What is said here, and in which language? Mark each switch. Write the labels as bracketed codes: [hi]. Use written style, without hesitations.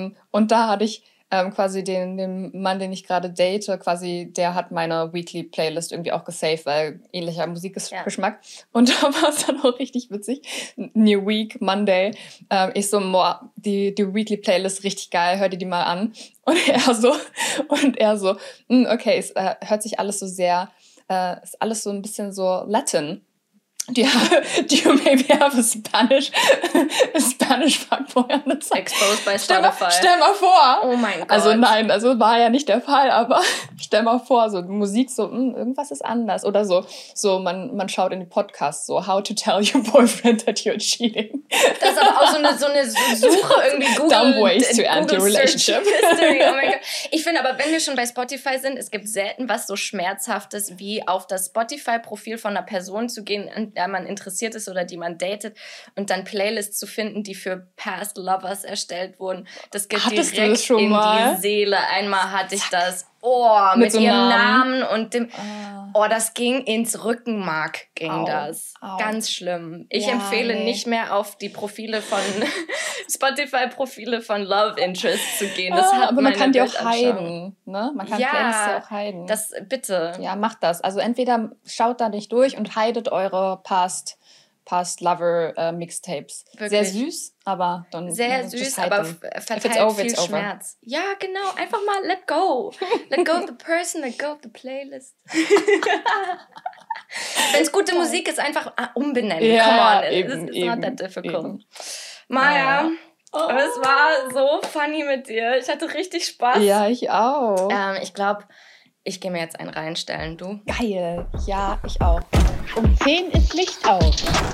[de] Und da hatte ich quasi den Mann, den ich gerade date, quasi, der hat meine Weekly-Playlist irgendwie auch gesaved, weil ähnlicher Musikgeschmack. Ja. Und da war es dann auch richtig witzig. [en] New Week, Monday. [de] Ich so, boah, die Weekly-Playlist, richtig geil, hör dir die mal an. Und er so, okay, es hört sich alles so sehr, ist alles so ein bisschen so Latin. [en] Do you maybe have a Spanish fuckboy on the side? Exposed by Spotify. [de] Stell mal vor. Oh mein Gott. Also nein, also war ja nicht der Fall, aber stell mal vor, so Musik, so irgendwas ist anders. Oder so man schaut in die Podcasts, so [en] how to tell your boyfriend that you're cheating. [de] Das ist aber auch so eine Suche, irgendwie Google. [en] Dumb ways to end your relationship. History. [de] Oh mein Gott. Ich finde aber, wenn wir schon bei Spotify sind, es gibt selten was so Schmerzhaftes, wie auf das Spotify-Profil von einer Person zu gehen, der man interessiert ist oder die man datet und dann Playlists zu finden, die für Past Lovers erstellt wurden. Das geht direkt in die Seele. Einmal hatte ich das. Oh, mit so ihrem Namen und dem. Oh, das ging ins Rückenmark, das. Ganz schlimm. Ich empfehle nicht mehr auf die Profile von Spotify-Profile von Love Interest zu gehen. Das hat aber man kann die auch heiden, ne? Man kann Playlists ja auch heiden. Das, bitte. Ja, macht das. Also entweder schaut da nicht durch und heidet eure Past Lover Mixtapes. Wirklich? Sehr süß, aber dann sehr süß, aber verteilt viel Schmerz. Ja, genau. Einfach mal [en] let go. Let go of the person, let go of the playlist. [de] Wenn es gute Musik ist, einfach umbenennen. Ja, [en] come on. It's not that difficult. [de] Maya, es war so funny mit dir. Ich hatte richtig Spaß. Ja, ich auch. Ich glaube, ich gehe mir jetzt einen reinstellen, du. Geil. Ja, ich auch. Um 10 ist Licht aus.